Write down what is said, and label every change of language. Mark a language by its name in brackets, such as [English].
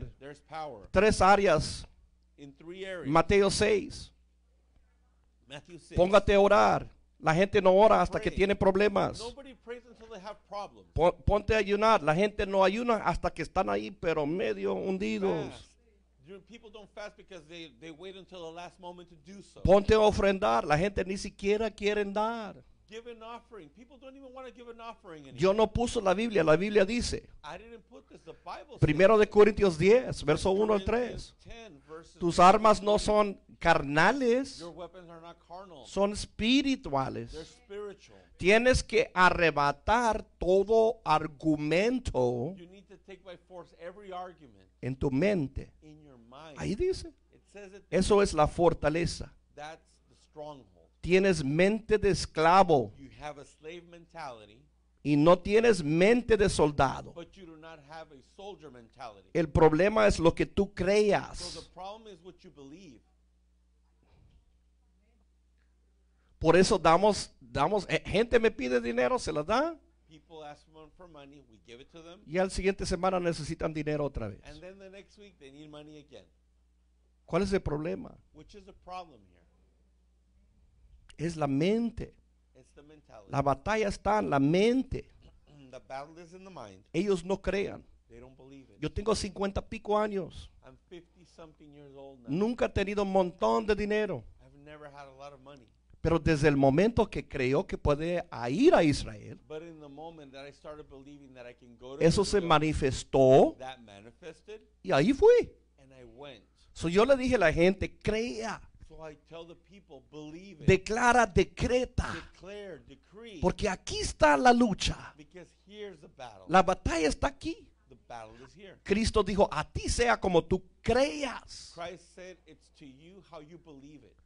[English] Truth. There's power. [Spanish] Tres áreas. [English] In three areas. [Spanish] Mateo 6. [English] Matthew 6. [Spanish] Póngate a orar. La gente no ora hasta [English] pray. [Spanish] Que tiene problemas. [English] Nobody prays until they have problems. [Spanish] Ponte a ayunar. La gente no ayuna hasta que están ahí pero medio hundidos. [English] Fast. People don't fast because they wait until the last moment to do so. [Spanish] Ponte a ofrendar. La gente ni siquiera quieren dar. [English] Give an offering. People don't even want to give an offering anymore. [Spanish] Yo no puso la Biblia. La Biblia dice. [English] I didn't put this. The Bible says. [Spanish] Primero de Corintios 10, verso 1 al 3. [English] 10, verses [Spanish] tus armas no son carnales. [English] Your weapons are not carnal. [Spanish] Son espirituales. [English] They're spiritual. [Spanish] Tienes que arrebatar todo argumento. [English] You need to take by force every argument. [Spanish] En tu mente. [English] In your mind. [Spanish] Ahí dice. [English] It says it. [Spanish] Eso es la fortaleza. [English] That's the stronghold. [Spanish] Tienes mente de esclavo. [English] You have a slave mentality, [Spanish] y no tienes mente de soldado. [English] But you do not have a soldier mentality. [Spanish] El problema es lo que tú creas. [English] So the problem is what you believe. [Spanish] Por eso damos. Gente me pide dinero, se lo da. [English] People ask them for money, we give it to them. [Spanish] Y al siguiente semana necesitan dinero otra vez. [English] And then the next week they need money again. [Spanish] ¿Cuál es el problema? [English] Which is the problem here? [Spanish] Es la mente. [English] It's the mentality. [Spanish] La batalla está en la mente. [English] The battle is in the mind. [Spanish] Ellos no crean. [English] They don't believe it. [Spanish] Yo tengo 50 pico años. [English] I'm 50 something years old now. [Spanish] Nunca he tenido un montón de dinero. [English] I've never had a lot of money. [Spanish] Pero desde el momento que creo que puede ir a Israel, [English] but in the moment that I started believing that I can go to [Spanish] eso [English] Israel, [Spanish] se manifestó. [English] That manifested, [Spanish] y ahí fui. [English] And I went. [Spanish] So yo le dije a la gente, crea. [English] I tell the people, believe it. [Spanish] Declara, decreta. [English] Declare, decree. [Spanish] Porque aquí está la lucha. [English] Because here's the battle. [Spanish] La batalla está aquí. [English] The battle is here. [Spanish] Cristo dijo, a ti sea como tú creas. [English] Christ said, it's to you how you believe it.